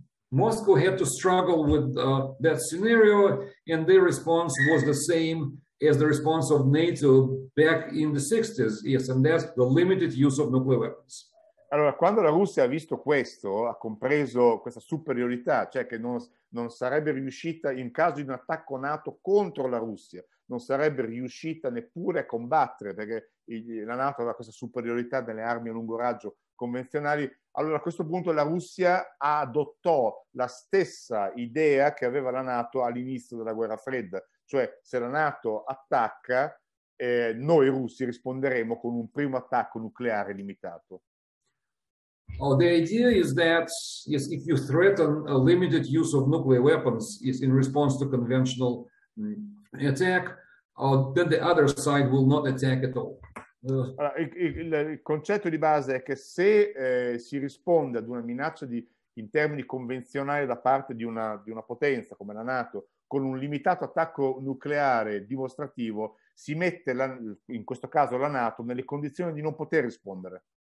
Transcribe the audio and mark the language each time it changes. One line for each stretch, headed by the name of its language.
English: Moscow had to struggle with that scenario, and their response was the same as the response of NATO back in the 60s, yes, and that's the limited use of nuclear weapons.
Italian: Allora, quando la Russia ha visto questo, ha compreso questa superiorità, cioè che non sarebbe riuscita, in caso di un attacco NATO contro la Russia, non sarebbe riuscita neppure a combattere, perché la NATO aveva questa superiorità delle armi a lungo raggio convenzionali, allora a questo punto la Russia adottò la stessa idea che aveva la NATO all'inizio della guerra fredda, cioè se la NATO attacca, noi russi risponderemo con un primo attacco nucleare limitato.
English: Oh, the idea is that yes, if you threaten a limited use of nuclear weapons is in response to conventional attack, then the other side will not attack at all.
Italian: Il concetto di base è che se si risponde ad una minaccia di in termini convenzionali da parte di una potenza come la NATO con un limitato attacco nucleare dimostrativo, si mette la, in questo caso la NATO nelle condizioni di non poter rispondere.